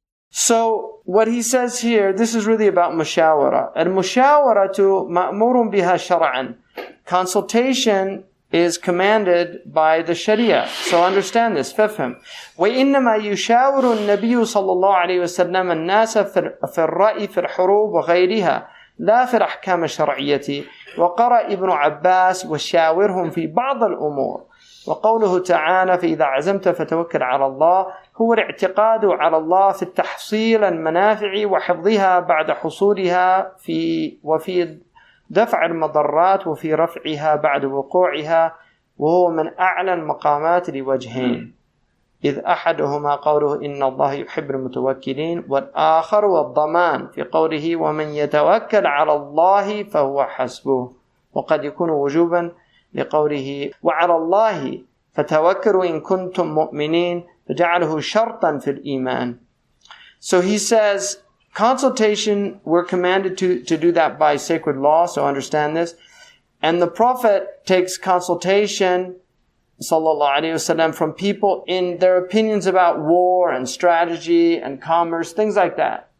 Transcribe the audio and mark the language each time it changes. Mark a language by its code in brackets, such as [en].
[en] So what he says here, this is really about mushawara. [ar] Al-mushawaratu ma'murun biha shara'an. [en] Consultation is commanded by the Sharia. So understand this. [ar] Fafhim. وَإِنَّمَا يُشَاوِرُ النَّبِيُّ صَلَّى اللَّهُ عَلَيْهِ وَسَلَّمَ النَّاسَ فِي الرَّأِي فِي الْحُرُوبِ وَغَيْرِهَا لَا فِي الْأَحْكَامِ الشَّرْعِيَّةِ وَقَرَأَ إِبْنُ عَبَّاسٍ وَشَاوِرْهُمْ فِي بَعْضِ الْأُمُورِ وَقَوْلُهُ تَعَالَى فَإِذَا عَزَمْتَ فَتَوَكَّلْ عَلَى اللَّهِ هُوَ الْاعْتِقَادُ عَلَى اللَّهِ فِي التَّحْصِيلِ الْمَنَافِعِ وَحِفْظِهَا بَعْدَ حُصُولِهَا فِي وَفِي دفع المضرات وفي رفعها بعد وقوعها وهو من أعلى المقامات لوجهين إذ أحدهما قوله إن الله يحب المتوكلين والآخر والضمان في قوله ومن يتوكل على الله فهو حسبه وقد يكون وجوبا لقوله وعلى الله فتوكلوا إن كنتم مؤمنين فجعله شرطا في الإيمان. [en] So he says, consultation, we're commanded to do that by sacred law, so understand this. And the Prophet takes consultation, sallallahu alayhi wa sallam, from people in their opinions about war and strategy and commerce, things like that.